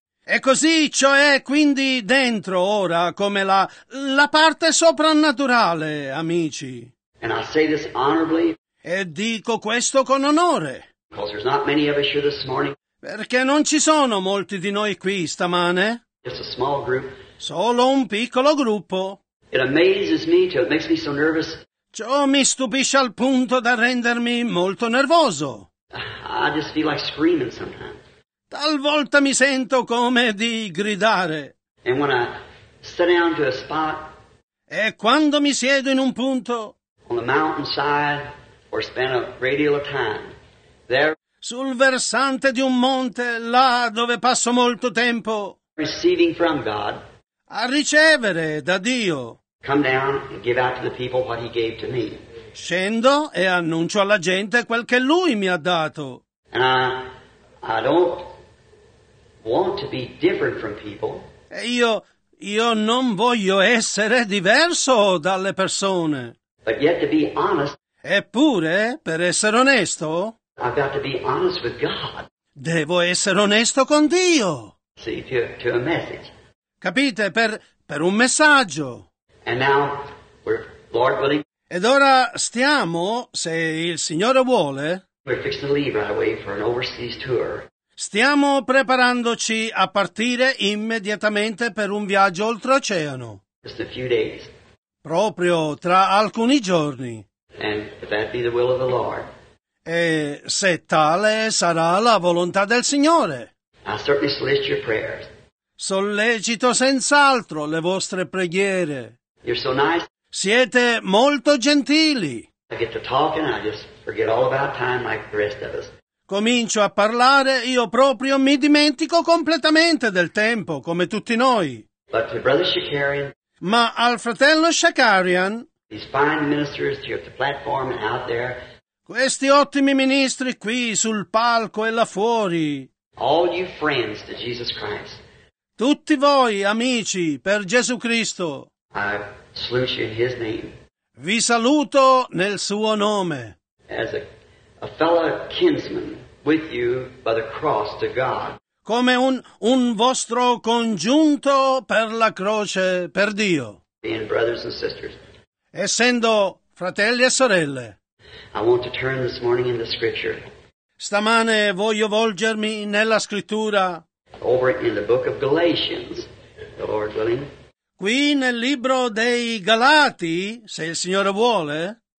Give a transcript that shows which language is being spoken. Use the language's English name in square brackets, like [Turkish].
[Italian] E così, cioè, quindi dentro ora, come la parte soprannaturale, amici. [English] And I say this honorably, [Italian] e dico questo con onore. [English] Because there's not many of us here this morning. [Italian] Perché non ci sono molti di noi qui stamane. [English] Just a small group. [Italian] Solo un piccolo gruppo. [English] It amazes me too. It makes me so nervous. [Italian] Ciò mi stupisce al punto da rendermi molto nervoso. [English] I just feel like screaming sometimes. [Italian] Talvolta mi sento come di gridare. [English] And when I sit down to a spot, [Italian] e quando mi siedo in un punto [English] on the mountainside or spend a great deal of time there, [Italian] sul versante di un monte là dove passo molto tempo [English] receiving from God, [Italian] a ricevere da Dio, [English] come down and give out to the people what he gave to me. [Italian] Scendo e annuncio alla gente quel che lui mi ha dato. [English] And I don't want to be different from people. [Italian] E io non voglio essere diverso dalle persone. [English] But yet to be honest, [Italian] eppure, per essere onesto, [English] I've got to be honest with God. [Italian] Devo essere onesto con Dio. [English] See, to a message. [Italian] Capite, per un messaggio. [English] And now, we're Lord willing. [Italian] Ed ora stiamo, se il Signore vuole, [English] we're fixing to leave right away for an overseas tour. [Italian] Stiamo preparandoci a partire immediatamente per un viaggio oltreoceano. [English] Just a few days. [Italian] Proprio tra alcuni giorni. [English] And if that be the will of the Lord. [Italian] E se tale sarà la volontà del Signore. [English] I certainly solicit your prayers. [Italian] Sollecito senz'altro le vostre preghiere. [English] You're so nice. [Italian] Siete molto gentili. [English] I get to talking and I just forget all about time like the rest of us. [Italian] Comincio a parlare, io proprio mi dimentico completamente del tempo, come tutti noi. [English] But to Brother Shakarian, [Italian] ma al fratello Shakarian, [English] these fine ministers here at the platform and out there, [Italian] questi ottimi ministri qui sul palco e là fuori, [English] all you friends to Jesus Christ, [Italian] tutti voi amici per Gesù Cristo, [English] I salute you in his name. [Italian] Vi saluto nel suo nome. [English] As a fellow kinsman with you by the cross to God. [Italian] Come un vostro congiunto per la croce per Dio. [English] Being brothers and sisters. [Italian] Essendo fratelli e sorelle. [English] I want to turn this morning in the scripture. [Italian] Stamane voglio volgermi nella scrittura. [English] Over in the book of Galatians, the Lord willing. [Italian] Qui nel libro dei Galati, se il Signore vuole.